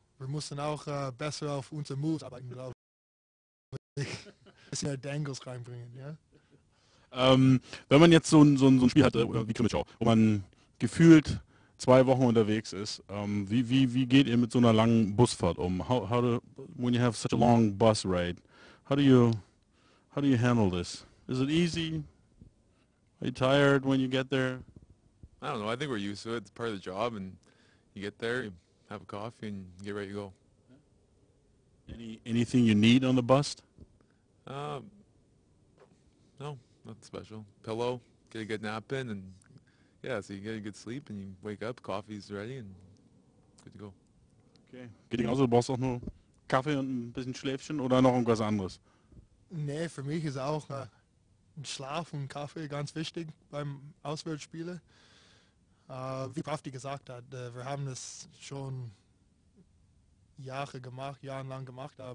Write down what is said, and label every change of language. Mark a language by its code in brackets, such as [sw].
[de] Wir müssen auch besser auf unser Moves arbeiten, glaube ich. Ein bisschen mehr Dangles reinbringen, ja. Wenn man jetzt so ein Spiel hat, wie Krimitschau, wo man gefühlt 2 Wochen unterwegs ist. Wie geht ihr mit so einer langen Busfahrt um? [en] When you have such a long bus ride, how do you handle this? Is it easy? Are you tired when you get there? I don't know. I think we're used to it. It's part of the job. And you get there, you have a coffee, and get ready to go. Anything you need on the bus? No, nothing special. Pillow, get a good nap in, and yeah, so you get a good sleep and you wake up, coffee's ready and good to go. Okay. [de] Geht genauso, du brauchst auch nur Kaffee und ein bisschen Schläfchen oder noch irgendwas anderes? Nee, für mich ist auch ein Schlaf und Kaffee ganz wichtig beim Auswärtsspielen. Wie Krafti gesagt hat, wir haben das schon jahrelang gemacht.